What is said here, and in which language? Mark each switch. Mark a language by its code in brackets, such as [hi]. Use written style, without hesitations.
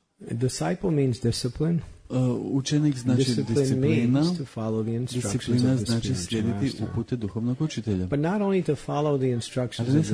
[en] Disciple means discipline. [hr] Učenik znači disciplina. Disciplina znači slijediti upute duhovnog učitelja. [en] But not only to follow the instructions of the spiritual master.